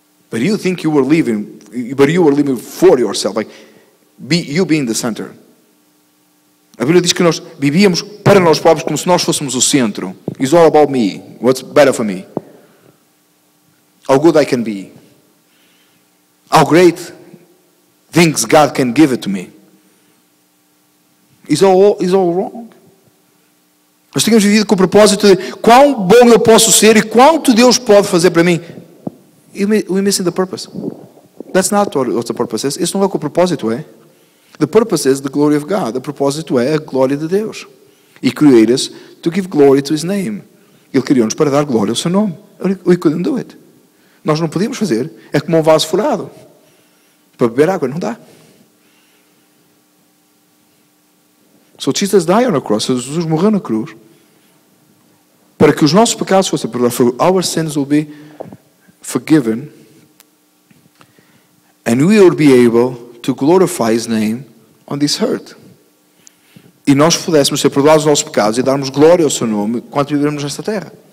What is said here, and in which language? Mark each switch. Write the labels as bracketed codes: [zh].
[en] But you think you were living, but you were living for yourself. Like, you being the center. [pt] A Bíblia diz que nós vivíamos para nós próprios como se nós fôssemos o centro. [en] It's all about me. What's better for me? How good I can be. How great things God can give it to me. It's all wrong. [pt] Nós tínhamos vivido com o propósito de quão bom eu posso ser e quanto Deus pode fazer para mim. [en] We're missing the purpose. That's not what the purpose is. [pt] Isso não é o que o propósito é. [en] The purpose is the glory of God. [pt] O propósito é a glória de Deus. [en] He created us to give glory to his name. [pt] Ele criou-nos para dar glória ao seu nome. [en] We couldn't do it. [pt] Nós não podíamos fazer. É como um vaso furado. Para beber água, não dá. [en] So Jesus died on a cross. [pt] Jesus morreu na cruz. Para que os nossos pecados fossem perdoados. [en] For our sins will be forgiven. And we will be able to glorify his name on this earth. [pt] E nós pudéssemos ser perdoados os nossos pecados e darmos glória ao seu nome enquanto vivermos nesta terra.